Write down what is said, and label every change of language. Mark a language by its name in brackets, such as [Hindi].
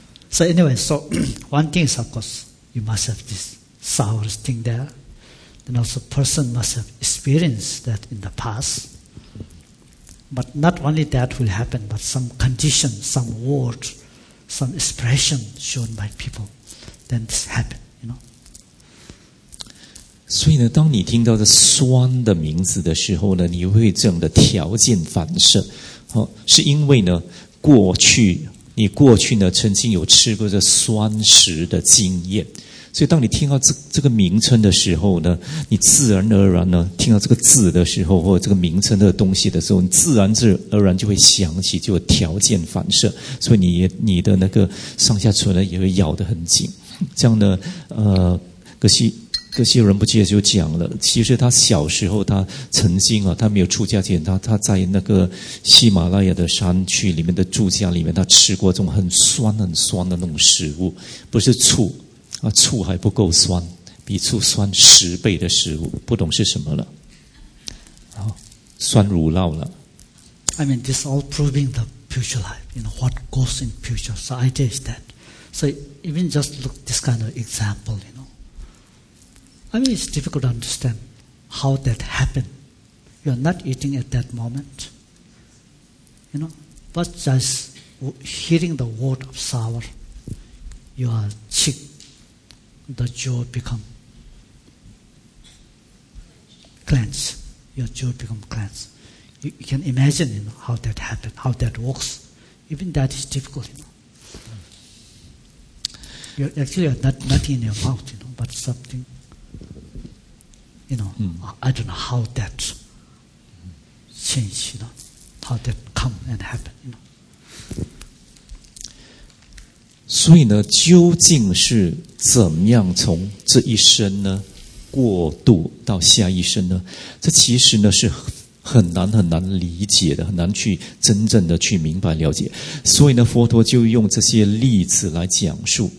[English] So anyway, so one thing is, of course, you must have this sour thing there. And also person must have experienced that in the past. But not only that will happen, but some condition, some word, some expression shown by people, then this happens. [Chinese] 所以呢，当你听到这酸的名字的时候呢，你会这样的条件反射，哦，是因为呢，过去呢曾经有吃过这酸食的经验，所以当你听到这个名称的时候呢，你自然而然呢听到这个字的时候或者这个名称的东西的时候，你自然而然就会想起，就有条件反射，所以你的那个上下唇呢也会咬得很紧，这样呢，可惜。这些人不记得就讲了，其实他小时候他曾经啊，他没有出家前，他在那个喜马拉雅的山区里面的住家里面，他吃过这种很酸很酸的那种食物，不是醋啊，醋还不够酸，比醋酸十倍的食物，不懂是什么了，酸乳酪了。 [English] I mean, this all proving the future life, you know, what goes in future. So idea is that. So even just look this kind of example, you know. I mean, it's difficult to understand how that happened. You are not eating at that moment. You know, but just hearing the word of sour, your cheek, the jaw become clenched. Your jaw become clenched. You can imagine, you know, how that happened, how that works. Even that is difficult, you know. You're actually nothing in your mouth, you know, but something. You know, I don't know how that change, you know, how that come and happen, you know. [Chinese] 所以呢，究竟是怎么样从这一生呢过渡到下一生呢？这其实呢是很难很难理解的，很难去真正的去明白了解。所以呢，佛陀就用这些例子来讲述。